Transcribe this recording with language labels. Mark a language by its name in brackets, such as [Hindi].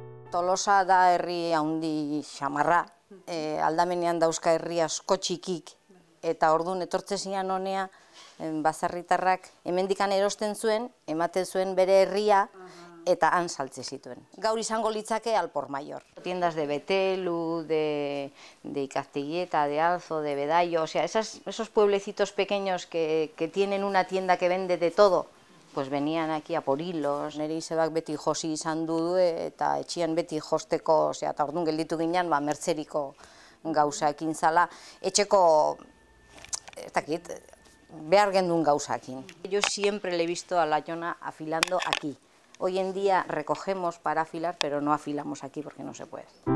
[Basque] Tolosa da herri handi xamarra, aldamenean dauzka herri asko txikik, eta orduan etortze zian honea, baserritarrak hemendikan erosten zuen, ematen zuen bere herria, eta han saltze zituen. Gaur izango litzake [Spanish] Alpor Mayor. Tiendas de Betelu, de Icaztegieta, de Alzo, de Bedaio, o sea, esos pueblecitos pequeños que tienen una tienda que vende de todo, pues venían aquí a por hilos. [Basque] Nere izabak beti josi izan dudu eta etxian beti josteko, o sea, eta orduan gelditu ginean, ba, Merceriko gauzakin zala. Etxeko, ez dakit, behar gendun gauzakin. [Spanish] Yo siempre le he visto a la Jona afilando aquí. Hoy en día recogemos para afilar, pero no afilamos aquí porque no se puede.